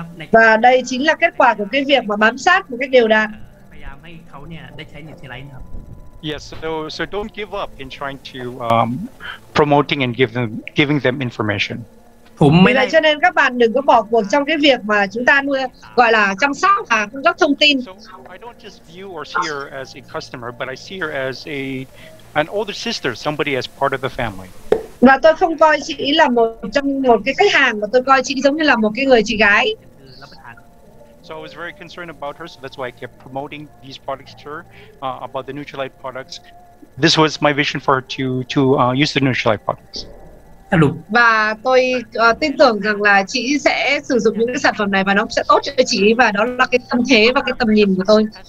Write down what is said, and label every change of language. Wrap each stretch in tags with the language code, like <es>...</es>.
<vi>Và đây chính là kết quả của cái việc mà bám sát một cái điều đạn.</vi> <en>Yes, so don't give up in trying to promoting and giving them information.</en> <vi>Là cho nên các bạn đừng có bỏ cuộc trong cái việc mà chúng ta nuôi, gọi là chăm sóc và cung cấp thông tin.</vi> <en>So I don't just view or see her as a customer, but I see her as an older sister, somebody as part of the family.</en> <vi>Và tôi không coi chị là một cái khách hàng, mà tôi coi chị giống như là một cái người chị gái.</vi> <en>So I was very concerned about her, so that's why I kept promoting these products to her, about the Nutrilite products. This was my vision for her to use the Nutrilite products.</en> <vi>Và tôi tin tưởng rằng là chị sẽ sử dụng những cái sản phẩm này và nó sẽ tốt cho chị, và đó là cái tâm thế và cái tầm nhìn của tôi.</vi>